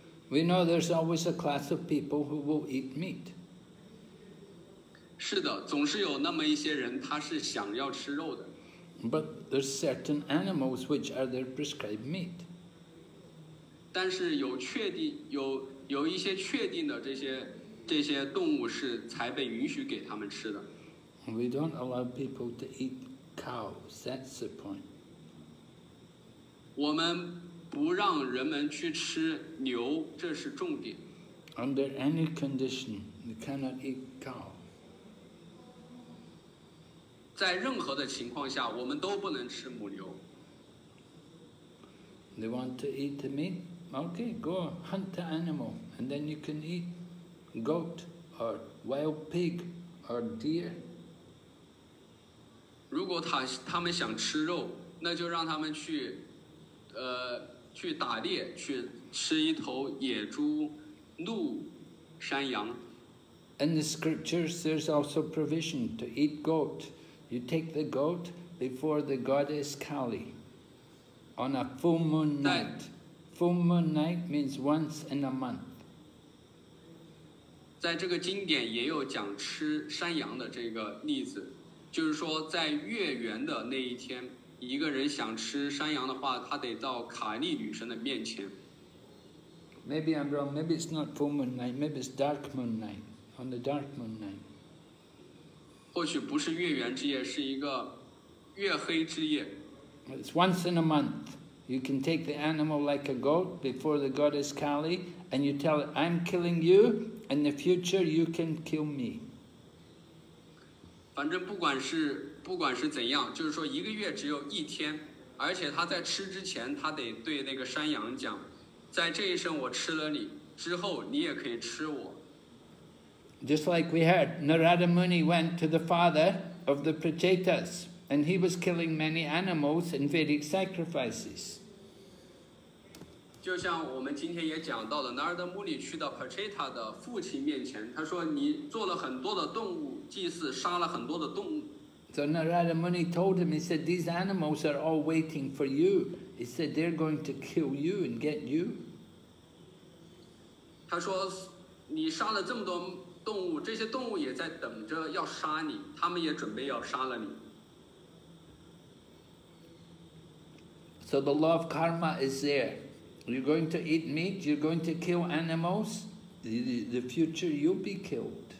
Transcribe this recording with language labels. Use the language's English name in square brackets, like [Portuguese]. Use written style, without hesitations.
[English] We know there's always a class of people who will eat meat. [Chinese] 是的，总是有那么一些人他是想要吃肉的。 [English] But there's certain animals which are their prescribed meat. [Chinese] 但是有确定有一些确定的这些动物是才被允许给他们吃的。 [English] We don't allow people to eat cows. That's the point. [Chinese] 我们不让人们去吃牛，这是重点。 [English] Under any condition, you cannot eat cow. [Chinese] 在任何的情况下，我们都不能吃母牛。 [English] They want to eat the meat? Okay, go hunt the animal, and then you can eat goat or wild pig or deer. [Chinese] 如果他们想吃肉，那就让他们去，去打猎，去吃一头野猪、鹿、山羊。 [English] In the scriptures, there's also provision to eat goat. You take the goat before the goddess Kali on a full moon night. Full moon night means once in a month. [Chinese] 在这个经典也有讲吃山羊的这个例子，就是说在月圆的那一天，一个人想吃山羊的话，他得到卡利女神的面前。 [English] Maybe I'm wrong. Maybe it's not full moon night. Maybe it's dark moon night. On the dark moon night. [Chinese] 或许不是月圆之夜，是一个月黑之夜。 [English] It's once in a month. You can take the animal like a goat before the goddess Kali, and you tell it, I'm killing you, in the future you can kill me. [Chinese] 反正不管是怎样，就是说一个月只有一天，而且他在吃之前，他得对那个山羊讲，在这一生我吃了你，之后你也可以吃我。 [English] Just like we heard, Narada Muni went to the father of the Prajetas. And he was killing many animals in Vedic sacrifices. [Chinese] 就像我们今天也讲到的，南尔德穆里去到 Pacheta 的父亲面前，他说：“你做了很多的动物祭祀，杀了很多的动物。” [English] So Narada Muni told him, he said, "These animals are all waiting for you." He said, "They're going to kill you and get you." [Chinese] 他说：“你杀了这么多动物，这些动物也在等着要杀你，他们也准备要杀了你。” [English] So the law of karma is there. You're going to eat meat, you're going to kill animals, the future you'll be killed.